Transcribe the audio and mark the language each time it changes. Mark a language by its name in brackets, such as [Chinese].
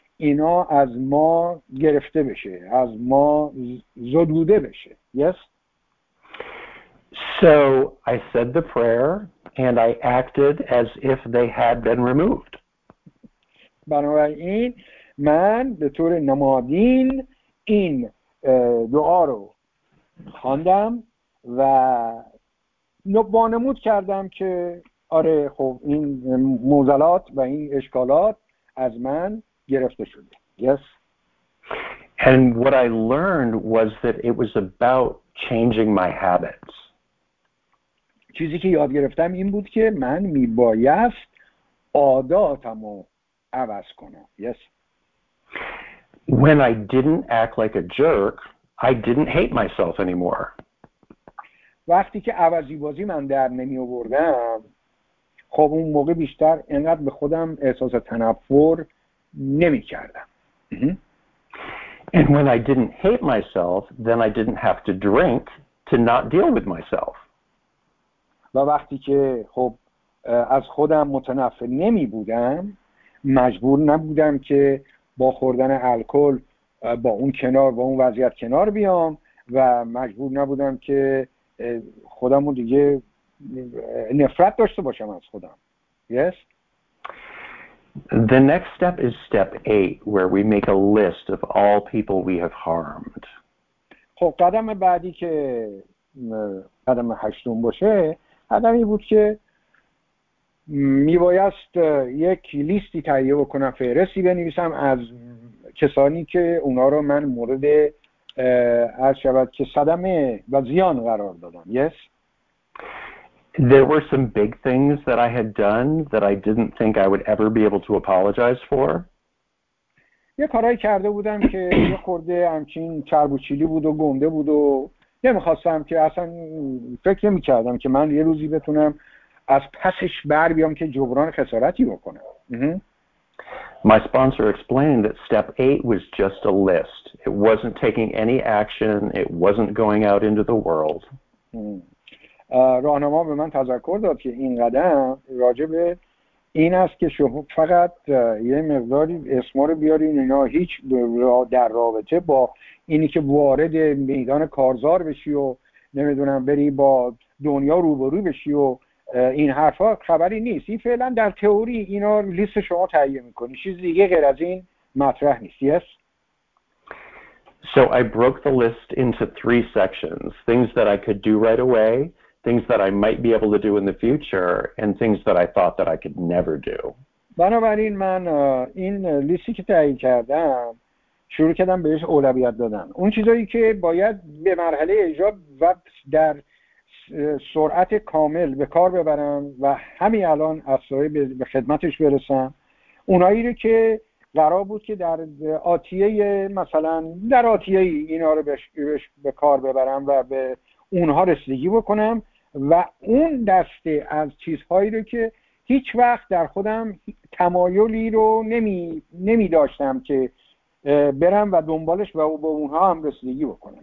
[Persian] اینا از ما گرفته بشه، از ما زدوده بشه. [English] Yes. So I said the prayer and I acted as if they had been removed. [Persian] بنابراین من به طور نمادین این دعا رو خواندم و وانمود کردم که آره خب این معضلات و این اشکالات از من گرفته شده. [English] Yes. And what I learned was that it was about changing my habits. [Persian] چیزی که یاد گرفتم این بود که من میبایست عاداتمو عوض کنم. [English] Yes. When I didn't act like a jerk, I didn't hate myself anymore. [Persian] وقتی که عوضی بازی من در نمی آوردم، خب اون موقع بیشتر انقدر به خودم احساس تنفر نمی کردم. [English] And when I didn't hate myself, then I didn't have to drink to not deal with myself. [Persian] و وقتی که خب از خودم متنفر نمی بودم، مجبور نبودم که با خوردن الکل با اون کنار، با اون وضعیت کنار بیام و مجبور نبودم که خودم رو دیگه نفرت داشته باشم از خودم. [English] Yes. The next step is step 8 where we make a list of all people we have harmed. [Persian] خب قدم بعدی که قدم هشتم باشه، قدمی بود که میبایست یک لیستی تهیه بکنم، فهرستی بنویسم از کسانی که اونا رو من مورد عرض شود که صدمه و زیان قرار دادم. [English] Yes. There were some big things that I had done that I didn't think I would ever be able to apologize for. [Persian] یه کارهایی کرده بودم که یه خورده همچین چرب و چیلی بود و گنده بود و نمیخواستم که اصلا فکر نمیکردم که من یه روزی بتونم از پسش بر بیام که جبران خسارتی بکنم. [English] My sponsor explained that step 8 was just a list. It wasn't taking any action. It wasn't going out into the world. [Persian] راهنما به من تذکر داد که این قدم راجع به این است که شما فقط یه مقداری اسما رو بیارین، اینا هیچ در رابطه با اینی که وارد میدان کارزار بشی و نمیدونم بری با دنیا روبرو بشی و این حرفا خبری نیست. این فعلا در تئوری اینا لیست شما تهیه میکنی، چیز دیگه غیر از این مطرح نیست. [English] Yes. So I broke the list into three sections: things that I could do right away, things that I might be able to do in the future, and things that I thought that I could never do. [Persian] بنابراین من این لیستی که تهیه کردم شروع کردم بهش اولویت دادن، اون چیزایی که باید به مرحله اجرا و در سرعت کامل به کار ببرم و همین الان از سایه به خدمتش برسم، اونایی رو که قرار بود که در آتیه مثلا در آتیه اینا رو بهش به کار ببرم و به اونها رسیدگی بکنم، و اون دسته از چیزهایی رو که هیچ وقت در خودم تمایلی رو نمی داشتم که برم و دنبالش و به اونها هم رسیدگی بکنم.